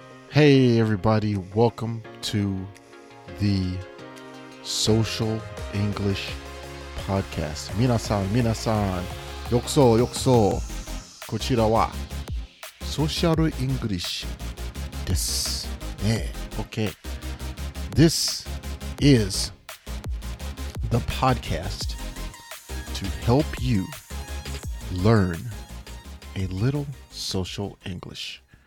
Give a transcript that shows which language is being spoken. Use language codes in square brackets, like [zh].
[en] Hey everybody, welcome to the Social English Podcast. [ja] みなさん、よくそう、よくそう。こちらはソーシャルイングリッシュです。ね、okay. [en] This is the podcast to help you learn a little social English.